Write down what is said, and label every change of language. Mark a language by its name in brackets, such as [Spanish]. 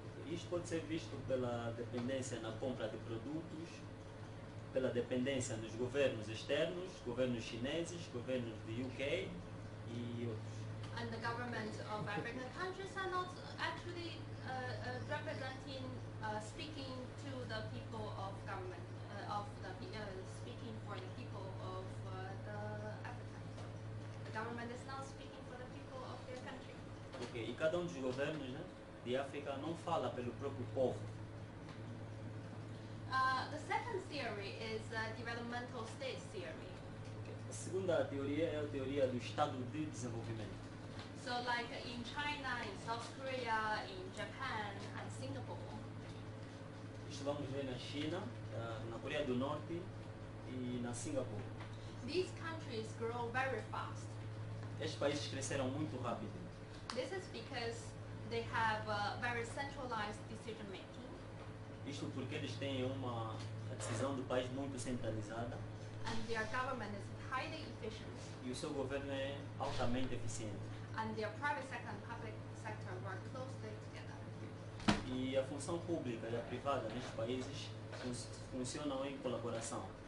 [Portuguese] Isto pode ser visto pela dependência na compra de produtos, pela dependência nos governos externos, governos chineses, governos de UK e outros. [English] And the government of African countries are not actually representing, speaking to the people of government, of the speaking for the people of the Africa. The government is not speaking for the people of their country. [Portuguese] Okay, e cada dos governos, né, de África não fala pelo próprio povo. [English] The second theory is a developmental state theory. [Portuguese] Okay. A segunda teoria é a teoria do estado de desenvolvimento. [English] So like in China, in South Korea, in Japan and Singapore. [Portuguese] Isto vamos ver na China, na Coreia do Norte e na Singapore. [English] These countries grow very fast. [Portuguese] Estes países cresceram muito rápido. [English] This is because they have very centralized decision making. [Portuguese] Isto porque eles têm uma decisão do país muito centralizada. [English] And their government is highly efficient. [Portuguese] E o seu governo é altamente eficiente. [English] And their private sector and public sector work closely together. [Portuguese] E a função pública e a privada nestes países funcionam em colaboração.